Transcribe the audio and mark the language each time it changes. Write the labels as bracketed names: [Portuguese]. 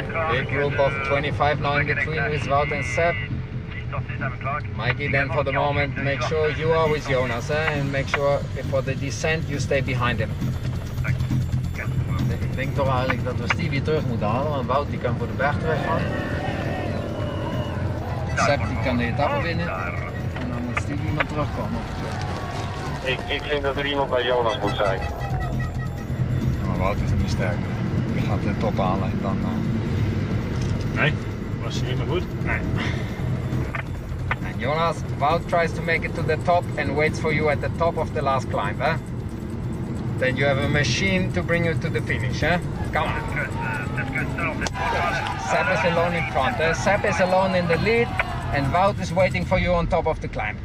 [English] Big group of 25 now in between with Wout and Sepp. Mikey, then for the moment, make sure you are with Jonas, and make sure for the descent you stay behind him. [Dutch] Ik denk toch eigenlijk dat we Stevie terug moeten halen, want Wout die kan voor de berg terug gaan. Sepp die kan de etappe winnen en dan moet Stevie maar terugkomen. Ik denk dat er iemand bij Jonas moet zijn. Wout is niet sterk. Die gaat de top halen en dan. Nee, was hij niet meer goed? Nee. [English] En Jonas, Wout tries to make it to the top and waits for you at the top of the last climb, hè? Eh? Then you have a machine to bring you to the finish, eh? Come on. Sepp is alone in front, eh? Sepp is alone in the lead and Wout is waiting for you on top of the climb.